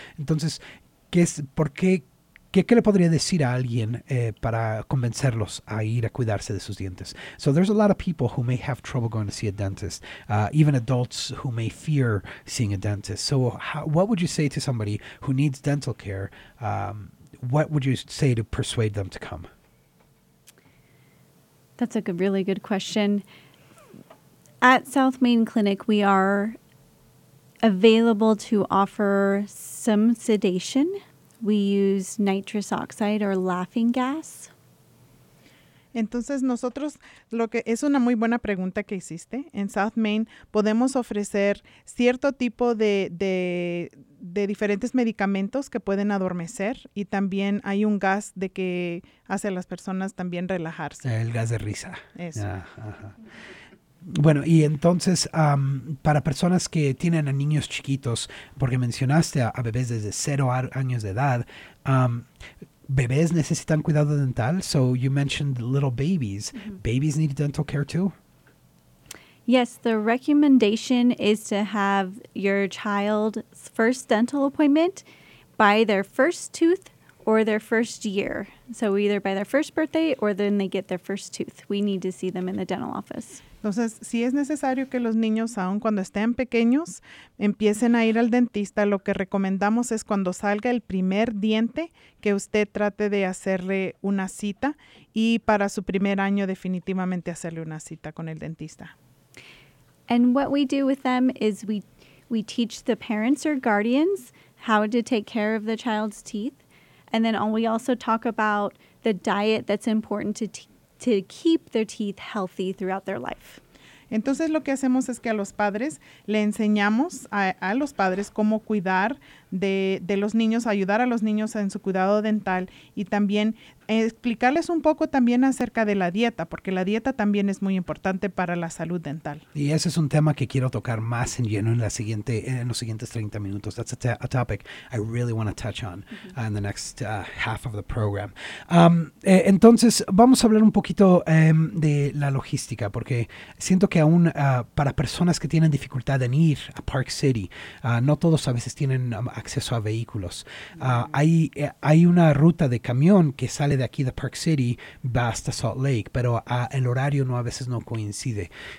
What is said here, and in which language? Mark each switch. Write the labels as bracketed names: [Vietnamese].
[Spanish] Entonces, ¿Qué le podría decir a alguien para convencerlos a ir a cuidarse de sus dientes? [English] So there's a lot of people who may have trouble going to see a dentist, even adults who may fear seeing a dentist. So what would you say to somebody who needs dental care? What would you say to persuade them to come? That's a good, really good question. At South Main Clinic, we are available to offer some sedation. We use nitrous oxide or laughing gas. [Spanish] Entonces nosotros, lo que es una muy buena pregunta que hiciste, en South Main podemos ofrecer cierto tipo de diferentes medicamentos que pueden adormecer y también hay un gas de que hace a las personas también relajarse. El gas de risa. Eso. Ajá, ajá. Bueno, y entonces, para personas que tienen a niños chiquitos, porque mencionaste a bebés desde 0 años de edad, ¿bebés necesitan cuidado dental? [English] So you mentioned little babies. Mm-hmm. ¿Babies need dental care too? Yes, the recommendation is to have your child's first dental appointment by their first tooth or their first year. So either by their first birthday or then they get their first tooth. We need to see them in the dental office. [Spanish] Entonces, si es necesario que los niños, aun cuando estén pequeños, empiecen a ir al dentista, lo que recomendamos es cuando salga el primer diente que usted trate de hacerle una cita y para su primer año definitivamente hacerle una cita con el dentista. [English] And what we do with them is we teach the parents or guardians how to take care of the child's teeth. And then we also talk about the diet that's important to keep their teeth healthy throughout their life. [Spanish] Entonces lo que hacemos es que a los padres le enseñamos a los padres cómo cuidar de los niños, ayudar a los niños en su cuidado dental y también explicarles un poco también acerca de la dieta, porque la dieta también es muy importante para la salud dental. Y ese es un tema que quiero tocar más en lleno en los siguientes 30 minutos. [English] That's a topic I really want to touch on in the next half of the program. [Spanish] Entonces, vamos a hablar un poquito de la logística, porque siento que aún para personas que tienen dificultad en ir a Park City, no todos a veces tienen acceso a vehículos. Hay una ruta de camión que sale de aquí de Park City, va hasta Salt Lake, pero el horario no, a veces no coincide.